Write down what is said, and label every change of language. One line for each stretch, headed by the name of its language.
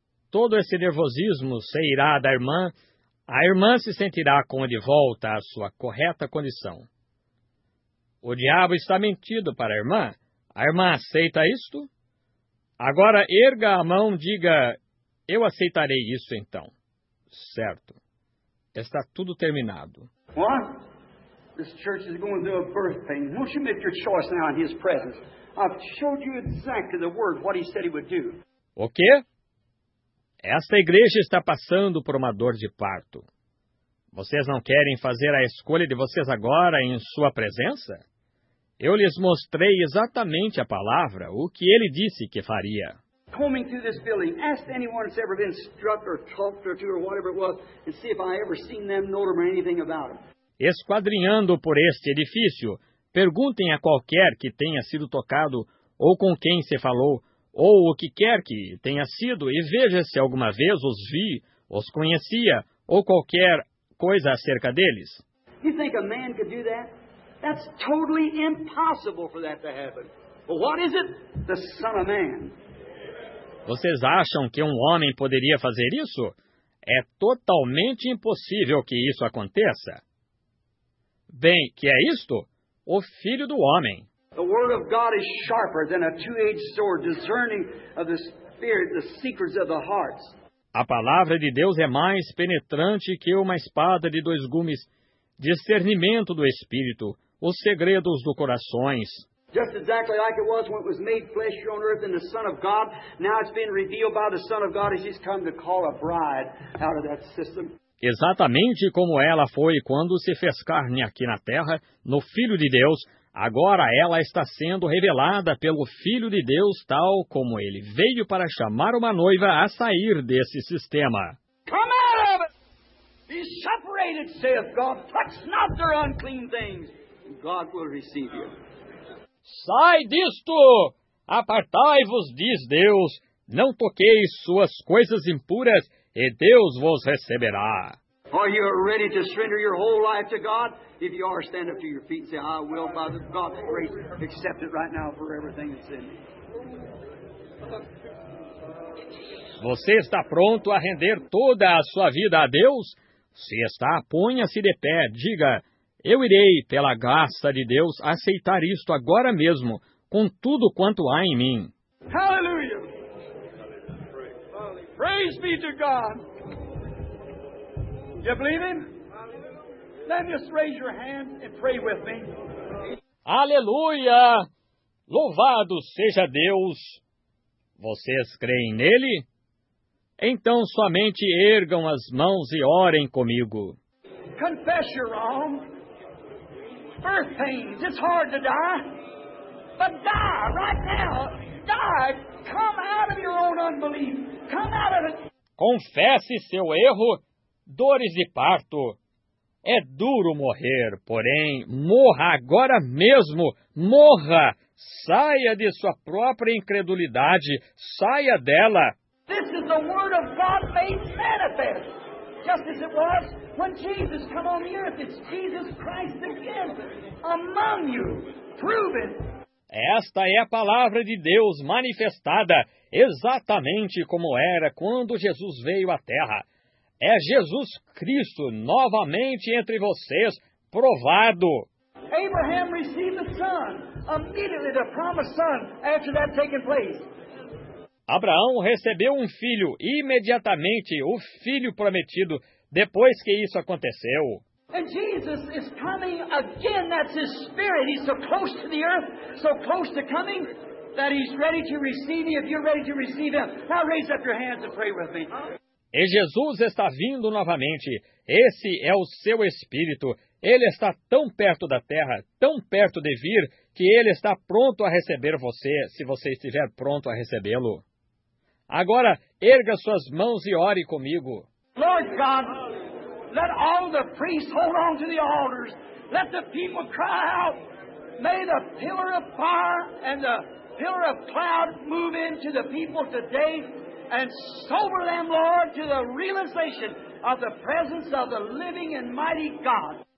Portuguese: Todo esse nervosismo sairá da irmã. A irmã se sentirá com de volta à sua correta condição. O diabo está mentindo para a irmã. A irmã aceita isto? Agora erga a mão e diga, eu aceitarei isso então. Certo. Está tudo terminado.
English: What? This church is going through a birth pain. Won't you make your choice now in his presence? I've showed you exactly the word, what he said he would do.
Portuguese: O quê? Esta igreja está passando por uma dor de parto. Vocês não querem fazer a escolha de vocês agora em sua presença? Eu lhes mostrei exatamente a palavra, o que ele disse que faria.
English: Combing through this building, ask anyone who's ever been struck or talked or to or whatever it was, and see if I ever seen them, know them or anything about them.
Portuguese: Esquadrinhando por este edifício, perguntem a qualquer que tenha sido tocado, ou com quem se falou, ou o que quer que tenha sido, e veja se alguma vez os vi, os conhecia, ou qualquer coisa acerca deles.
English: You think a man could do that? That's totally impossible for that to happen. But what is it? The Son of Man.
Portuguese: Vocês acham que um homem poderia fazer isso? É totalmente impossível que isso aconteça. Bem, que é isto? O Filho do Homem.
English: The word of God is sharper than a two-edged sword, discerning of the spirit, the secrets of the hearts.
Portuguese: A palavra de Deus é mais penetrante que uma espada de dois gumes, discernimento do espírito, os segredos dos corações.
English: Just exactly like it was when it was made flesh on earth in the Son of God, now it's been revealed by the Son of God as he's come to call a bride out of that system.
Portuguese: Exatamente como ela foi quando se fez carne aqui na terra, no Filho de Deus, agora ela está sendo revelada pelo Filho de Deus, tal como ele veio para chamar uma noiva a sair desse sistema.
English: Come out of it! Be separated, saith God. Touch not their unclean things. God will receive you.
Portuguese: Sai disto! Apartai-vos, diz Deus. Não toqueis suas coisas impuras. E Deus vos receberá.
English: Are you ready to surrender your whole life to God? If you are, stand up to your feet and say, I will, by God's grace, accept it right now for everything that's in me.
Portuguese: Você está pronto a render toda a sua vida a Deus? Se está, ponha-se de pé, diga, eu irei, pela graça de Deus, aceitar isto agora mesmo, com tudo quanto há em mim. Aleluia!
English: Praise be to God. You believe him? Then just raise your hand and pray with me.
Portuguese: Aleluia! Louvado seja Deus! Vocês creem nele? Então somente ergam as mãos e orem comigo.
English: Confess your wrong. Birth pains, it's hard to die. But die right now. Die. Come out of your own unbelief.
Portuguese: Confesse seu erro, dores de parto. É duro morrer, porém, morra agora mesmo, morra! Saia de sua própria incredulidade, saia dela!
English: This is the word of God made manifest, just as it was when Jesus came on the earth. It's Jesus Christ again, among you, prove it!
Portuguese: Esta é a palavra de Deus manifestada exatamente como era quando Jesus veio à terra. É Jesus Cristo novamente entre vocês, provado.
English: Abraham
Portuguese: recebeu o
English: son, immediately the promised son, after that taking place.
Portuguese: Abraão recebeu um filho, imediatamente o filho prometido, depois que isso aconteceu.
English: And Jesus is coming again. That's his spirit. He's so close to the earth, so close to coming, that he's ready to receive you if you're ready to receive him. Now raise up your hands and pray with me.
Portuguese: E Jesus está vindo novamente. Esse é o seu espírito. Ele está tão perto da terra, tão perto de vir, que ele está pronto a receber você, se você estiver pronto a recebê-lo. Agora, erga suas mãos e ore comigo.
English: Lord God, let all the priests hold on to the altars Let the people cry out. May the pillar of fire and the pillar of cloud move into the people today and sober them, Lord, to the realization of the presence of the living and mighty God.